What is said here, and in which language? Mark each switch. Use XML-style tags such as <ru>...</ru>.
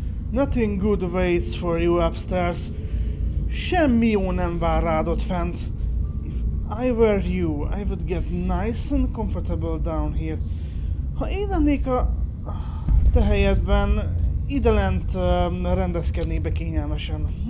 <en>Nothing good waits for you upstairs.</en> <hu>Semmi jó nem vár rád ott fent.</hu> <en>If I were you, I would get nice and comfortable down here.</en> <hu>Ha én lennék a te helyedben, ide lent rendezkednék be kényelmesen.</hu>